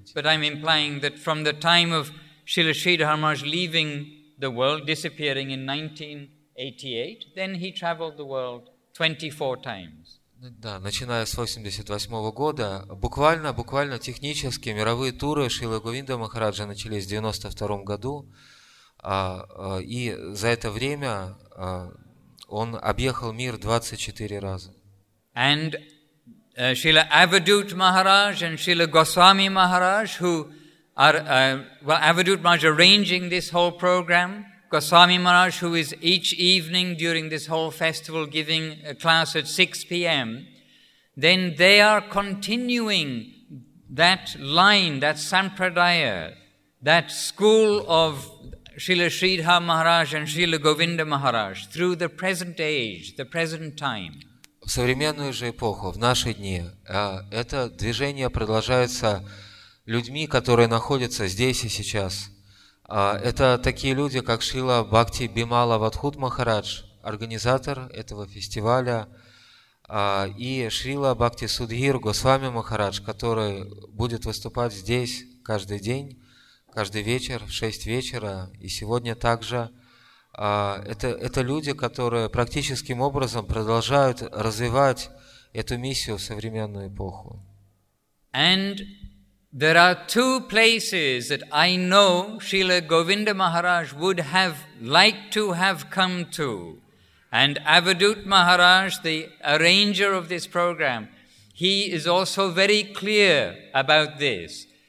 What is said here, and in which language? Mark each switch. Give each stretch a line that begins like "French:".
English: But I'm implying that from the time of Srila Sridhar Maharaj leaving the world, disappearing in 1988, then he traveled the world 24 times.
Russian: Да, начиная с 88 года, буквально технически мировые туры Шрилы Говинда Махараджа начались в 92 году, и за это время он объехал мир 24 раза.
English: And Srila Avadhut Maharaj and Srila Goswami Maharaj, who are well, Avadhut Maharaj arranging this whole program. Goswami Maharaj, who is each evening during this whole festival giving a class at 6 p.m., then they are continuing that line, that sampradaya, that school of Srila Sridhar Maharaj and Srila Govinda Maharaj through the present age, the present time.
Russian: В современную же эпоху, в наши дни, это движение продолжается людьми, которые находятся здесь и сейчас. Это такие люди, как Шрила Бхакти Бимала Вадхут Махарадж, организатор этого фестиваля, и Шрила Бхакти Судхир Госвами Махарадж, который будет выступать здесь каждый день, каждый вечер, в 6 вечера, и сегодня также. Это люди, которые практическим образом продолжают развивать эту миссию в современную эпоху.
English: And... There are two places that I know Srila Govinda Maharaj would have liked to have come to. And Avadhut Maharaj, the arranger of this program, he is also very clear about this.